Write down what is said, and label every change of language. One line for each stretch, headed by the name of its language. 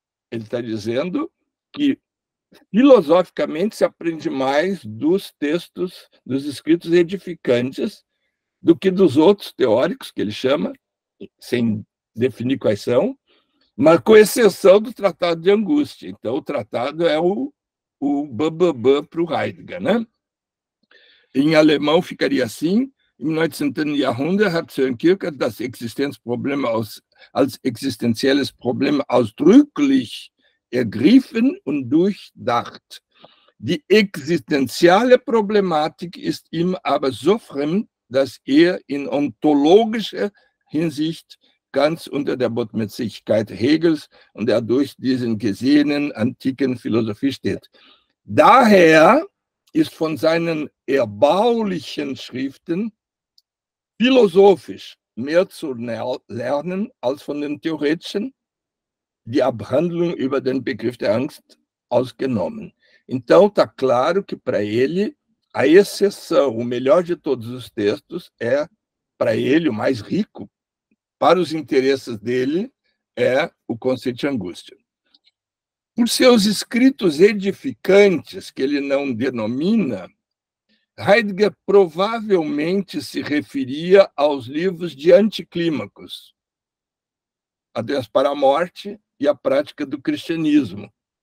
Portuguese: Ele está dizendo que, filosoficamente, se aprende mais dos textos, dos escritos edificantes, do que dos outros teóricos, que ele chama, sem definir quais são, mas com exceção do Tratado de Angústia. Então, o tratado é o bababã para o Heidegger, né? Em alemão, ficaria assim:
German: Im 19. Jahrhundert hat Sir Kierkegaard das Existenzproblem als existenzielles Problem ausdrücklich ergriffen und durchdacht. Die existenzielle Problematik ist ihm aber so fremd, dass in ontologischer Hinsicht ganz unter der Botmäßigkeit Hegels und der durch diesen gesehenen antiken Philosophie steht. Daher ist von seinen erbaulichen Schriften philosophisch mehr zu lernen als von den theoretischen, die Abhandlung über den Begriff der Angst ausgenommen.
Portuguese: Então, está claro que para ele, a exceção, o melhor de todos os textos, é, para ele, o mais rico, para os interesses dele, é o Conceito de Angústia. Por seus escritos edificantes, que ele não denomina, Heidegger provavelmente se referia aos livros de anticlímacos, Adeus para a Morte e a Prática do Cristianismo.